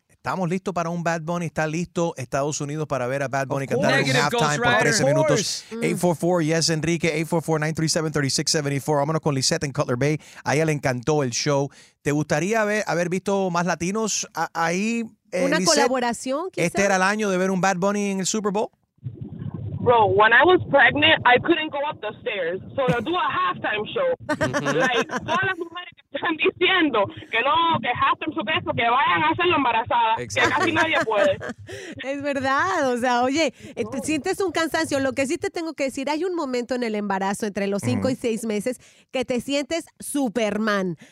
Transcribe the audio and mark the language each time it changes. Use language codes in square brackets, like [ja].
[es] ¿Estamos listos para un Bad Bunny? ¿Está listo Estados Unidos para ver a Bad Bunny cantar en un halftime por 13 minutos? 844, yes, Enrique. 844-937-3674. Vámonos con Lisette en Cutler Bay. A ella le encantó el show. ¿Te gustaría haber visto más latinos ahí? ¿Una Lisette, colaboración, quizás? ¿Este era el año de ver un Bad Bunny en el Super Bowl? [en] Bro, when I was pregnant, I couldn't go up the stairs. So to do a halftime show. Mm-hmm. [es] Like, todas las mujeres que están diciendo que no, que halftime su peso, que vayan a hacerlo embarazada. Exactly. Que casi nadie puede. Es verdad. O sea, oye, no. Sientes un cansancio. Lo que sí te tengo que decir, hay un momento en el embarazo entre los 5 y 6 meses que te sientes Superman.